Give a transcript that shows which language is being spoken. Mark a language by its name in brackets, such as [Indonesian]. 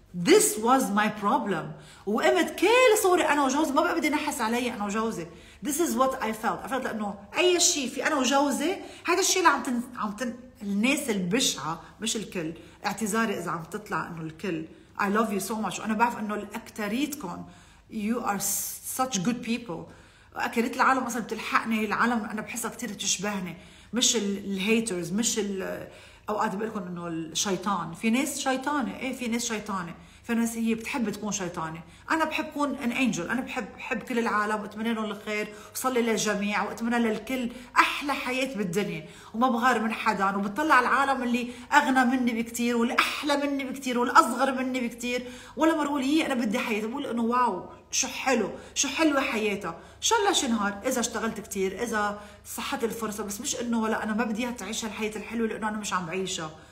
[English] This was my problem. [Arabic] وقمت كل صوري أنا وجوزي ما بقى بدي نحس علي أنا وجوزي. [English] This is what I felt. I felt [Arabic] لأنه أي شيء في أنا وجوزي هذا الشيء اللي عم تن الناس البشعة، مش الكل، اعتذاري إذا عم تطلع إنه الكل. [English] I love you so much. [Arabic] وأنا بعرف إنه الأكتريتكم [English] you are such good people. [Arabic] أكتريت العالم أصلاً بتلحقني، العالم أنا بحسها كتير تشبهني، مش الهيترز، مش ال أوقات بقول لكم إنه الشيطان، في ناس شيطانة، إيه في ناس شيطانة، في ناس هي بتحب تكون شيطانة، أنا بحب أكون an angel، أنا بحب كل العالم وأتمنى لهم الخير وصلي للجميع وأتمنى للكل أحلى حياة بالدنيا وما بغار من حدا، وبتطلع العالم اللي أغنى مني بكتير واللي أحلى مني بكتير والأصغر مني بكتير ولا مرول هي أنا بدي حياتي، بقول إنه واو شو حلو، شو حلوة حياتها، شلش نهار إذا اشتغلت كتير إذا صحت الفرصة، بس مش إنه ولا أنا ما بديها تعيش هالحياة الحلوة لأنه أنا مش عم بعيشها.